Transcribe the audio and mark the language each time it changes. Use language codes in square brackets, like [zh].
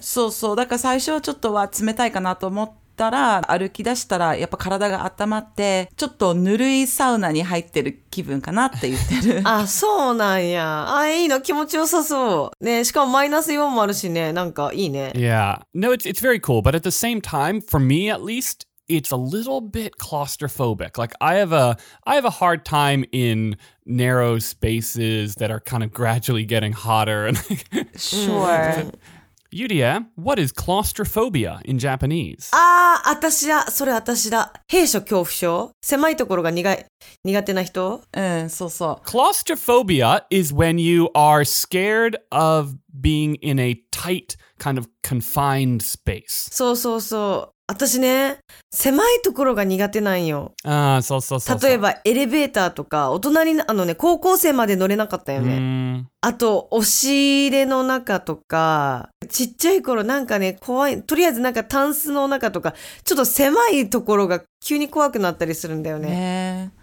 [ja] そうそう。だから最初はちょっとは冷たいかなと思って。歩き出したらやっぱ体が温まってちょっとぬるいサウナに入ってる気分かなって言ってるあ、そうなんや。あ、いいの、気持ちよさそうね。しかもマイナス4もあるしね、なんかいいね。 [en] Yeah, no, it's very cool, but at the same time, for me at least, it's a little bit claustrophobic. Like I have a hard time in narrow spaces that are kind of gradually getting hotter and sure. Yuria, what is claustrophobia in Japanese? [ja] ああ、私だ。それ私だ。閉所恐怖症。狭いところが苦手な人。うん、そうそう。 [en] Claustrophobia is when you are scared of being in a tight kind of confined space. [ja] そうそうそう。私ね、狭いところが苦手なんよ。ああ、そうそうそう。例えばエレベーターとか、大人に、あのね、高校生まで乗れなかったよね。あと、押し入れの中とか、ちっちゃい頃なんかね、怖い、とりあえずなんかタンスの中とか、ちょっと狭いところが急に怖くなったりするんだよね。